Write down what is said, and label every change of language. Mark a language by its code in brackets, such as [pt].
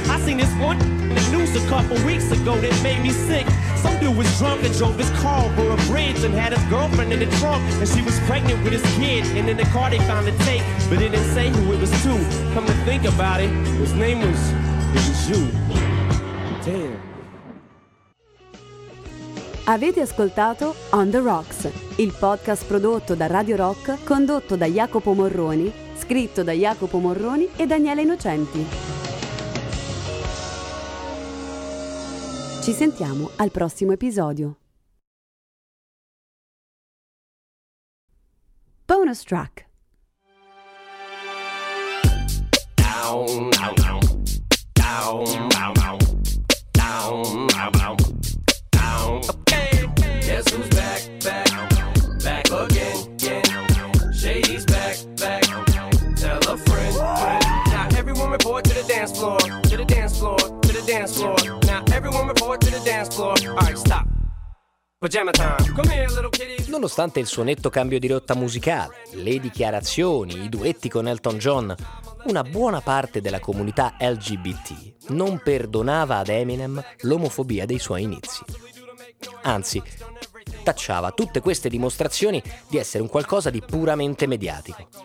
[en] I seen this one in the news a couple weeks ago that made me sick. Some dude was drunk and drove his car over a bridge and had his girlfriend in the trunk, and she was pregnant with his kid. And in the car they found a tape, but it didn't say who it was to. Come to think about it, his name was, it was you. Damn. [it] Avete ascoltato On The Rocks, il podcast prodotto da Radio Rock, condotto da Jacopo Morroni, scritto da Jacopo Morroni e Daniele Innocenti. Ci sentiamo al prossimo episodio. [en] Bonus track. Down, down, down. Down, down, down. Down, down, down. Down. Okay. Guess who's back, back, back again, again. Shady's back, back. Tell a friend, friend. Now everyone report to the dance floor, to the dance floor, to the dance floor. Now everyone report to the dance floor. Alright, stop. Pajama time. Come here, little kitty. [it] Nonostante il suo netto cambio di rotta musicale, le dichiarazioni, i duetti con Elton John, una buona parte della comunità LGBT non perdonava ad Eminem l'omofobia dei suoi inizi. Anzi, tacciava tutte queste dimostrazioni di essere un qualcosa di puramente mediatico.